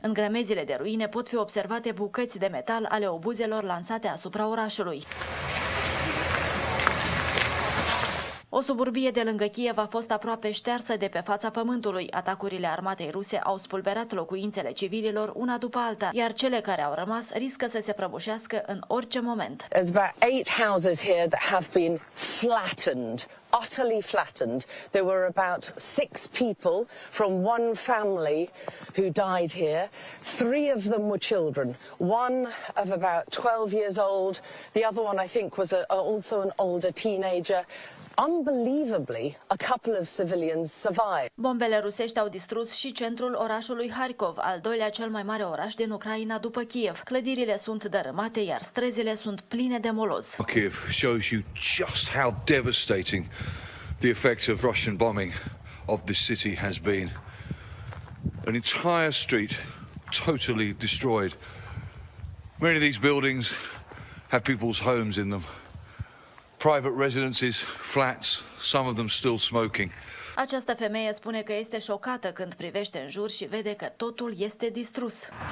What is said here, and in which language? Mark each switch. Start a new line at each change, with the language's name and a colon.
Romanian: În grămezile de ruine pot fi observate bucăți de metal ale obuzelor lansate asupra orașului. O suburbie de lângă Kiev a fost aproape ștersă de pe fața pământului. Atacurile armatei ruse au spulberat locuințele civililor una după alta, iar cele care au rămas riscă să se prăbușească în orice moment.
English: There's about 8 houses here that have been flattened, utterly flattened. There were about 6 people from one family who died here. 3 of them were children, one of about 12 years old, the other one I think was also an older teenager. Unbelievably, a couple of civilians survived.
Romanian: Bombele rusești au distrus și centrul orașului Harkov, al doilea cel mai mare oraș din Ucraina după Kiev. Clădirile sunt dărâmate, iar străzile sunt pline de moloz.
English: Kiev shows you just how devastating the effect of Russian bombing of this city has been. An entire street totally destroyed. Many of these buildings have people's homes in them. Private residences, flats, some of them still smoking.
Romanian: Această femeie spune că este șocată când privește în jur și vede că totul este distrus.